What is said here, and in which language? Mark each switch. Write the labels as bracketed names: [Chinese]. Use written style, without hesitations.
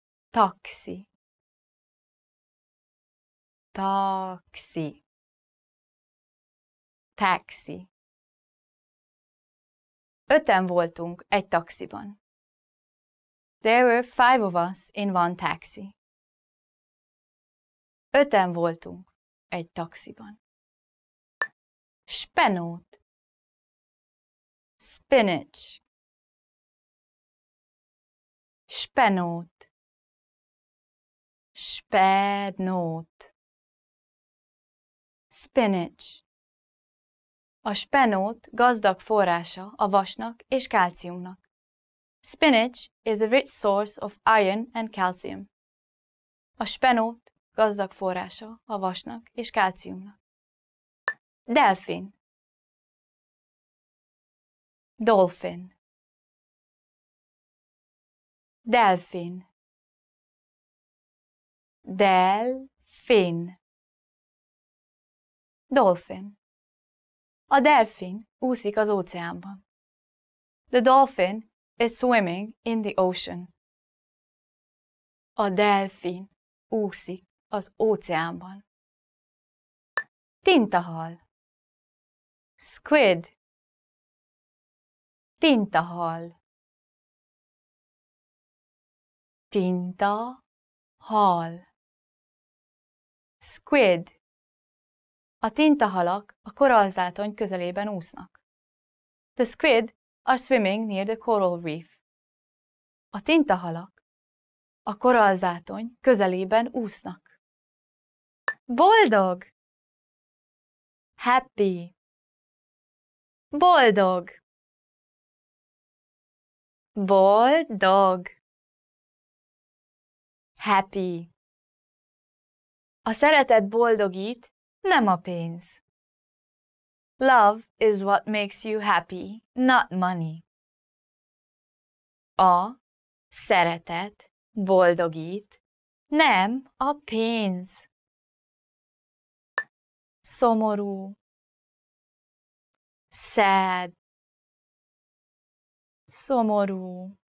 [Hungarian] Taxi. [English] Taxi. [Hungarian] Taxi. Öten voltunk egy taxiban. [English] There were five of us in one taxi. [Hungarian] Öten voltunk egy taxiban. Spenót. [English] Spinach. [Hungarian] Spenót. Spenót. [English] Spinach. [Hungarian] A spenót gazdag forrása a vasnak és kálciumnak. [English] Spinach is a rich source of iron and calcium. [Hungarian] A spenót gazdag forrása a vasnak és kálciumnak. Delfin. [English] Dolphin. [Hungarian] Delfin. Delfin. [English] Dolphin. [Hungarian] A delfin úszik az óceánban. [English] The dolphin is swimming in the ocean. [Hungarian] A delfin úszik az óceánban. Tintahal. [English] Squid. [Hungarian] Tintahal. Tintahal. [English] Squid. [Hungarian] A tintahalak a korallzátony közelében úsznak. [English] The squid are swimming near the coral reef. [Hungarian] A tintahalak a korallzátony közelében úsznak. Boldog. [English] Happy. [Hungarian] Boldog. Boldog. [English] Happy. [Hungarian] A szeretet boldogít. Nem a pénz. [English] Love is what makes you happy, not money. [Hungarian] A szeretet boldogít, nem a pénz. Szomorú. [English] Sad. [Hungarian] Szomorú.